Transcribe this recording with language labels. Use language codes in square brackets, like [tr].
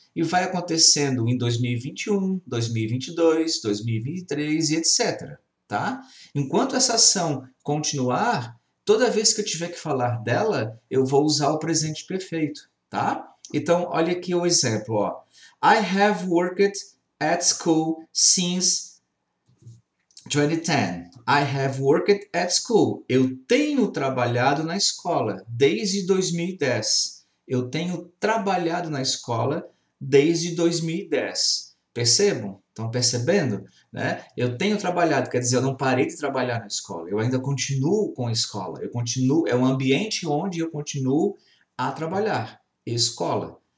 [pt] E vai acontecendo em 2021, 2022, 2023 e etc. Tá? Enquanto essa ação continuar, toda vez que eu tiver que falar dela, eu vou usar o presente perfeito. Tá? Então, olha aqui o exemplo. Ó. [en] I have worked at school since 2010. I have worked at school. [pt] Eu tenho trabalhado na escola desde 2010. Eu tenho trabalhado na escola desde 2010. Percebam? Estão percebendo? Né? Eu tenho trabalhado, quer dizer, eu não parei de trabalhar na escola, eu ainda continuo com a escola, eu continuo, é um ambiente onde eu continuo a trabalhar, escola.